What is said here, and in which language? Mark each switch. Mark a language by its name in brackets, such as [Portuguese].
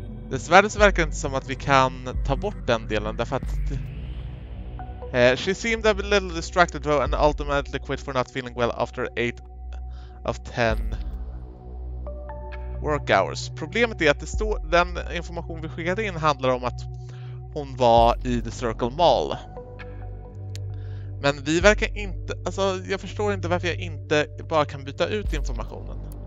[Swedish] Dessvärre så verkar det inte som att vi kan ta bort den delen, därför att... [English] she seemed a little distracted though and ultimately quit for not feeling well after 8 of 10 work hours. [Swedish] Problemet är att det står, den information vi skickade in handlar om att hon var i The Circle Mall. Men vi verkar inte, alltså jag förstår inte varför jag inte bara kan byta ut informationen.